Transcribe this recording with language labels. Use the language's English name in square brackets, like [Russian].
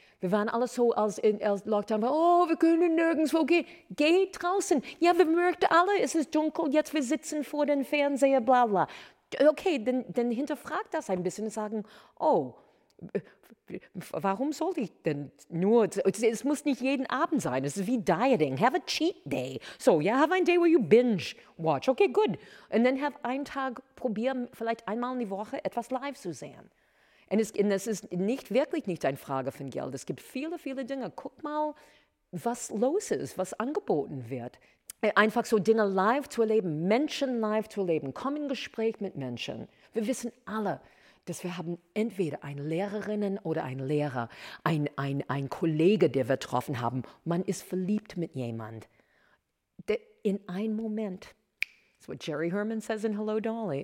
[German] Wir waren alle so als Lockdown, oh, wir können nirgendwo gehen. Geh draußen. Ja, wir merken alle, es ist dunkel, jetzt wir sitzen vor dem Fernseher, bla bla. Okay, dann hinterfrag das ein bisschen und sagen, oh, warum sollte ich denn nur, es muss nicht jeden Abend sein, es ist wie Dieting, [English] have a cheat day. So, yeah, have a day where you binge watch, okay, good. And then have [German] einen Tag, probier vielleicht einmal in die Woche etwas live zu sehen. Und es ist nicht, wirklich nicht eine Frage von Geld, es gibt viele, viele Dinge. Guck mal, was los ist, was angeboten wird. Einfach so Dinge live zu erleben, Menschen live zu erleben, komm in Gespräch mit Menschen. Wir wissen alle, dass wir haben entweder eine Lehrerinnen oder einen Lehrer, ein Kollege, der wir getroffen haben. Man ist verliebt mit jemand. In einem Moment. [English] That's what Jerry Herman says in Hello Dolly.